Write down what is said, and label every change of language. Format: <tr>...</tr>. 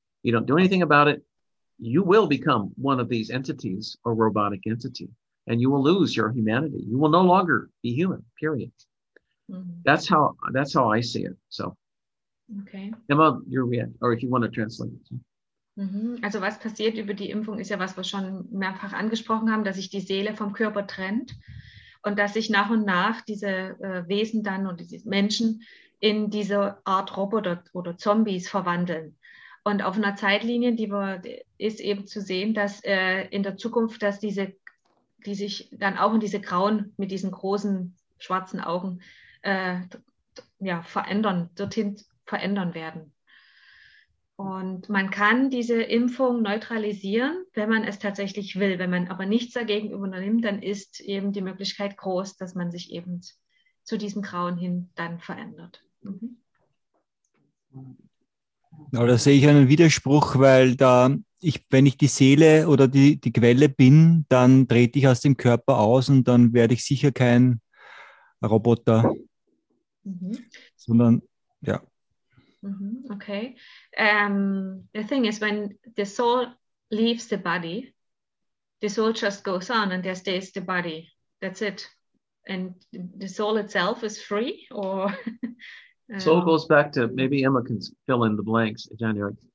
<en>You don't do anything about it. You will become one of these entities or robotic entity, and you will lose your humanity. You will no longer be human, period. Mm-hmm. That's how I see it. So, okay. Emma, you're weird, or if you want to translate it.</en> <de>Also was passiert über die Impfung ist ja was wir schon mehrfach angesprochen haben, dass sich die Seele vom Körper trennt und dass sich nach und nach diese Wesen dann und diese Menschen in diese Art Roboter oder Zombies verwandeln. Und auf einer Zeitlinie, die wir, ist eben zu sehen, dass in der Zukunft, dass diese, die sich dann auch in diese Grauen mit diesen großen schwarzen Augen dorthin verändern werden. Und man kann diese Impfung neutralisieren, wenn man es tatsächlich will. Wenn man aber nichts dagegen unternimmt, dann ist eben die Möglichkeit groß, dass man sich eben zu diesen Grauen hin dann verändert. Mhm. Ja, da sehe ich einen Widerspruch, weil da ich, wenn ich die Seele oder die Quelle bin, dann trete ich aus dem Körper aus und dann werde ich sicher kein Roboter, sondern ja.</de> <en>Okay. The thing is, when the soul leaves the body, the soul just goes on and there stays the body. That's it. And the soul itself is free, or? Soul goes back to, maybe Emma can fill in the blanks, January.</en>